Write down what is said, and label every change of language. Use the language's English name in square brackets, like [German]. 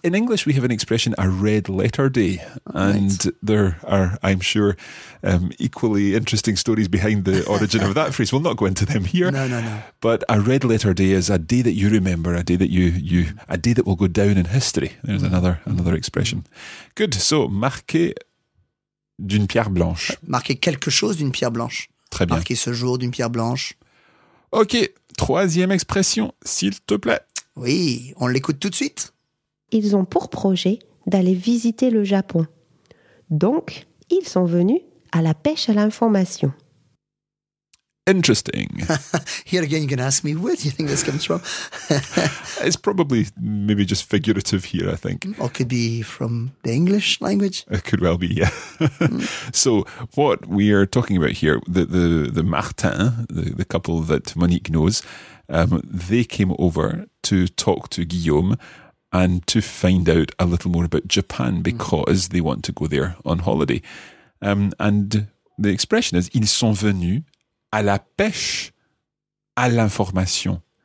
[English] In English, we have an expression, a red letter day. And there are, I'm sure, equally interesting stories behind the origin of that phrase. We'll not go into them here. No. But a red letter day is a day that you remember, a day that you a day that will go down in history. There's another expression. Good. [French] So, marquer d'une pierre blanche. Marquer quelque chose d'une pierre blanche. Très bien. Marquer ce jour d'une pierre blanche. Ok. Troisième expression, s'il te plaît. Oui, on l'écoute tout de suite. Ils ont pour projet d'aller visiter le Japon. Donc, ils sont venus à la pêche à l'information. [English] Interesting. Here again, you can ask me, where do you think this comes from? It's probably maybe just figurative here, I think. Or could be from the English language. It could well be, yeah. So what we are talking about here, the Martin, the couple that Monique knows, they came over to talk to Guillaume and to find out a little more about Japan because they want to go there on holiday. And the expression is, [French] ils sont venus à la pêche, à l'information.